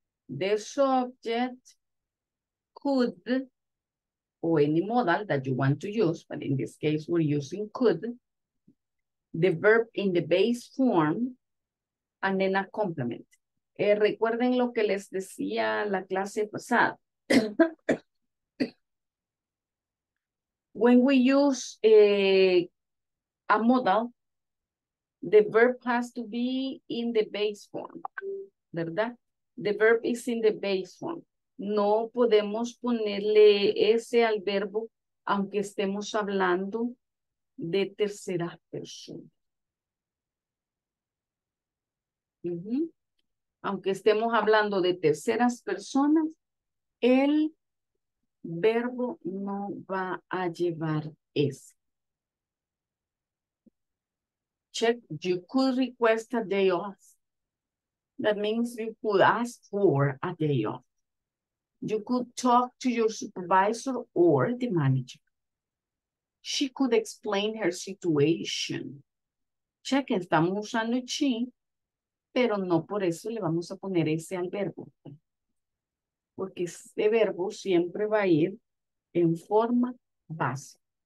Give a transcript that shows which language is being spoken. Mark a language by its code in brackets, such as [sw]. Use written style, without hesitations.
[en] The subject could, or any modal that you want to use, but in this case, we're using could, the verb in the base form, and then a complement. [es] Recuerden lo que les decía la clase pasada. [en] When we use a modal, the verb has to be in the base form, [es] ¿verdad? [en] The verb is in the base form. [es] No podemos ponerle ese al verbo aunque estemos hablando de tercera persona. Aunque estemos hablando de terceras personas, el verbo no va a llevar ese. [en] Check, you could request a day off. That means you could ask for a day off. You could talk to your supervisor or the manager. She could explain her situation. Check, [es] estamos usando she, pero no por eso le vamos a poner ese al verbo. Porque este verbo siempre va a ir en forma base.